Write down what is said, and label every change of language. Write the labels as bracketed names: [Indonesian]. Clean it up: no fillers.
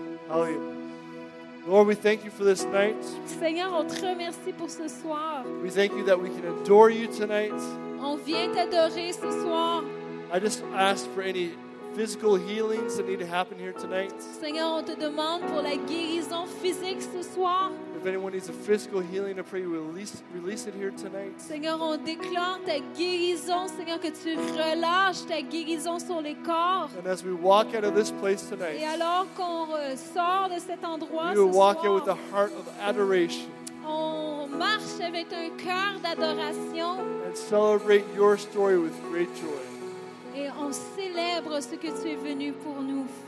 [English] We thank you for this night. [French] Seigneur, on te remercie pour ce soir. [English] We thank you that we can adore you tonight. [French] On vient t'adorer ce soir. [English] I just ask for any physical healings that need to happen here tonight. [French] Seigneur, on te demande pour la guérison physique ce soir. [English] If anyone needs a physical healing, I pray you release it here tonight. [French] Seigneur, on déclare ta guérison, Seigneur, que tu relâches ta guérison sur les corps. [English] And as we walk out of this place tonight, [French] et alors qu'on sort de cet endroit, [English] we walk out with a heart of adoration. [French] On marche avec un cœur d'adoration. [English] And celebrate your story with great joy. [French] Et on célèbre ce que tu es venu pour nous.